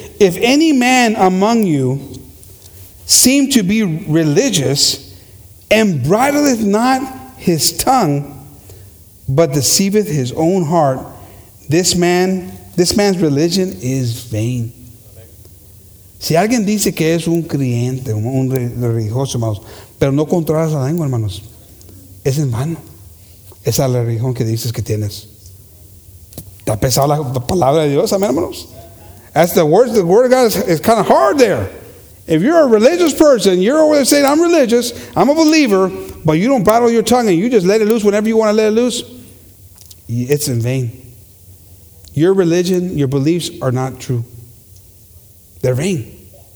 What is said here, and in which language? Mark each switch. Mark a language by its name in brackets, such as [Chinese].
[English] If any man among you seem to be religious and bridleth not his tongue, but deceiveth his own heart, this man's religion is vain. [Spanish] Si alguien dice que es un creyente, un religioso, hermanos, pero no controlas la lengua, hermanos, es en vano. Esa es la religión que dices que tienes. ¿Te ha pesado la palabra de Dios, amén, hermanos? [English] That's the word of God is kind of hard there. If you're a religious person, you're over there saying, I'm religious, I'm a believer, but you don't bridle your tongue and you just let it loose whenever you want to let it loose, it's in vain. Your religion, your beliefs are not true. They're vain.